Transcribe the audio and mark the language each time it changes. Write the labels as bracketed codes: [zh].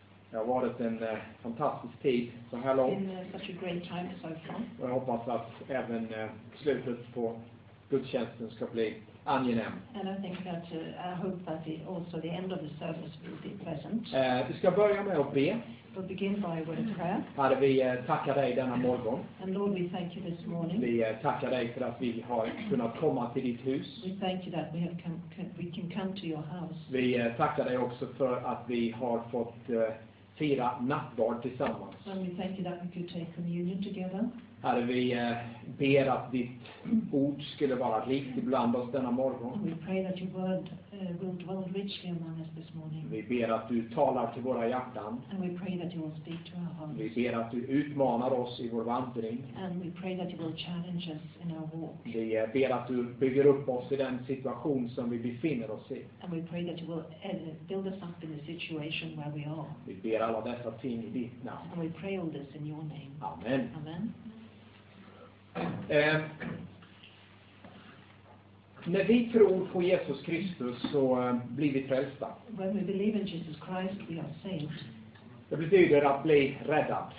[sv] Det har varit en fantastisk tid så här långt. [en] In such a great time so far. [sv] Och jag hoppas att även slutet på gudstjänsten ska bli angenäm. [en] And I think that I hope that the, also the end of the service will be pleasant. [sv] Vi ska börja med att be. [en] We'll begin by a word of prayer. [sv] Herre, vi tackar dig denna morgon. [en] And Lord, we thank you this morning. [sv] Vi tackar dig för att vi har kunnat komma till ditt hus. [en] We thank you that we have come, we can come to your house. [sv] Vi tackar dig också för att vi har fått fira nattvard tillsammans. [en] And we thank you that we could take communion together. [sv] Herre, vi ber att ditt ord skulle vara rikt ibland oss denna morgon. [en] And we pray that your word will dwell richly among us this morning. [sv] Vi ber att du talar till våra hjärtan. [en] And we pray that you will speak to our hearts. [sv] Vi ber att du utmanar oss i vår vandring. [en] And we pray that you will challenge us in our walk. [sv] Vi ber att du bygger upp oss i den situation som vi befinner oss i. [en] And we pray that you will build us up in the situation where we are. [sv] Vi ber alla dessa ting i ditt namn. [en] And we pray all this in your name. [sv] Amen. [en] Amen. [sv] När vi tror på Jesus Kristus så blir vi frälsta. [en] When we believe in Jesus Christ, we are saved. [sv] Det betyder att bli räddad.